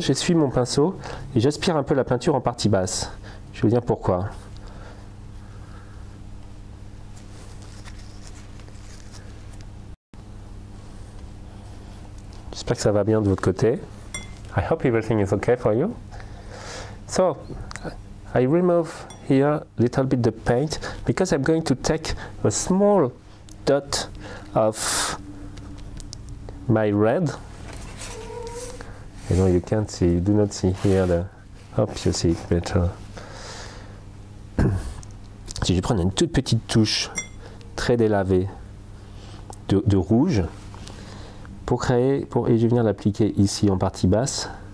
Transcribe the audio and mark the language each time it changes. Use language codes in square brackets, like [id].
[fr] J'essuie mon pinceau et j'aspire un peu la peinture en partie basse. Je vais vous dire pourquoi. J'espère que ça va bien de votre côté. [en] I hope everything is okay for you. So, I remove here a little bit the paint because I'm going to take a small dot of my red. You know, you can't see, you do not see here the. Hope you see it better. [fr] Si je prends une toute petite touche très délavée de rouge pour créer, et je vais venir l'appliquer ici en partie basse.